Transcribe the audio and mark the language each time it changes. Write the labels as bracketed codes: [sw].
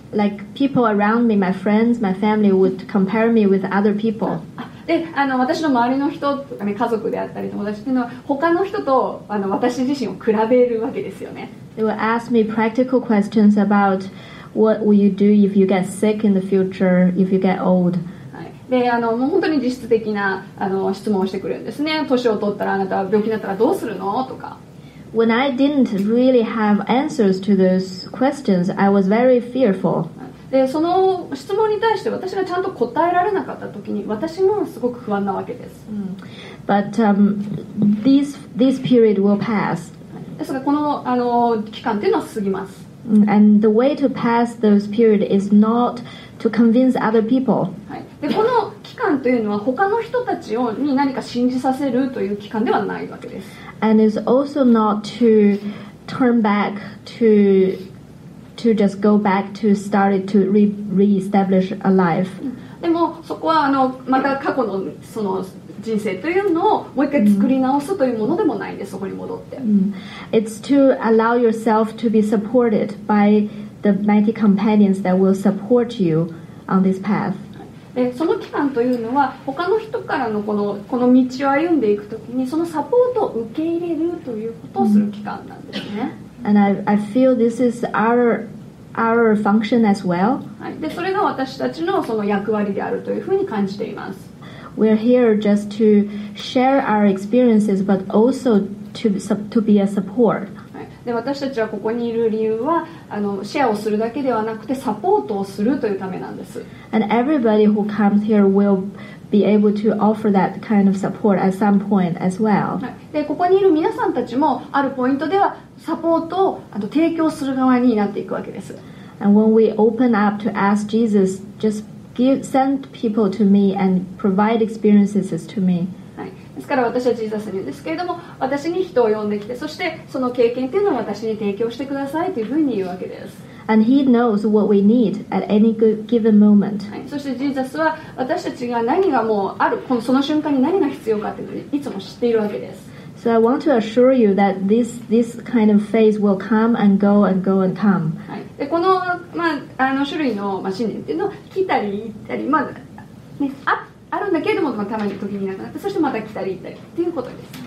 [en] Like people around me, my friends, my family would compare me with other people. [ja] で私の周りの人とかね家族であったり友達っていうのは他の人と私自身を比べるわけですよね。 [en] They will ask me practical questions about what will you do if you get sick in the future, if you get old. [ja] でもう本当に実質的な質問をしてくれるんですね。年を取ったらあなたは病気になったらどうするのとか。 [en] When I didn't really have answers to those questions, I was very fearful. [ja] でその質問に対して私がちゃんと答えられなかった時に私もすごく不安なわけです。 [en] But this period will pass. [ja] ですがこの期間っていうのは過ぎます。 [en] And the way to pass those period is not to convince other people. [ja] はい。でこの期間というのは他の人たちに何か信じさせるという期間ではないわけです。 [en] And it's also not to turn back to just go back to start it to reestablish a life. [ja] でもそこはまた過去のその人生というのをもう一回作り直すというものでもないんです、そこに戻って。 [en] It's to allow yourself to be supported by the mighty companions that will support you on this path. [ja] でその期間というのは他の人からのこの道を歩んでいくときにそのサポートを受け入れるということをする期間なんですね。 [en] And I feel this is our function as well. [ja] はい。でそれが私たちのその役割であるというふうに感じています。 [en] We're here just to share our experiences, but also to be a support. [ja] はい。で私たちはここにいる理由はシェアをするだけではなくてサポートをするというためなんです。 [en] And everybody who comes here will be able to offer that kind of support at some point as well. [ja] でここにいる皆さんたちもあるポイントではサポートをあと提供する側になっていくわけです。 [en] And when we open up to ask Jesus, just give, send people to me and provide experiences to me.、 [ja] はい、ですから私はジーザスに言うんですけれども、私に人を呼んできて、そしてその経験というのを私に提供してくださいというふうに言うわけです。 [en] And he knows what we need at any given moment.、 [ja] はい、そしてジーザスは私たちが何がもうある、このその瞬間に何が必要かというふうにいつも知っているわけです。 [en] So I want to assure you that this kind of phase will come and go and go and come.、 [ja] はい、でこの、まあ、あの種類のまあ信念っていうのは来たり行ったり、まあね、あるんだけれども、まあ、たまに時になくなって、そしてまた来たり行ったりっていうことです。